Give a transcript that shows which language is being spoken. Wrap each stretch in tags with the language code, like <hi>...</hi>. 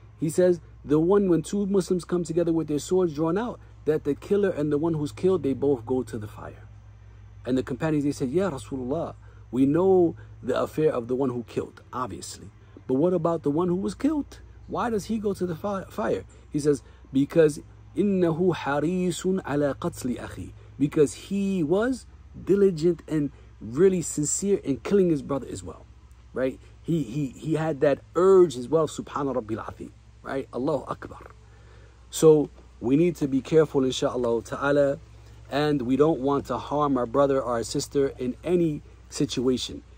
<en>He says, the one when two Muslims come together with their swords drawn out, that the killer and the one who's killed, they both go to the fire. And the companions, they said, Ya Rasulullah, we know the affair of the one who killed, obviously. But what about the one who was killed? Why does he go to the fire? He says, because</en> <ar>إِنَّهُ حَرِيسٌ عَلَى قَتْلِ أَخِي.</ar> <en>Because he was diligent and really sincere in killing his brother as well, right? He had that urge as well, subhanahu rabbil azim, right? Allahu Akbar. So we need to be careful, inshallah ta'ala, and we don't want to harm our brother or our sister in any situation.</en>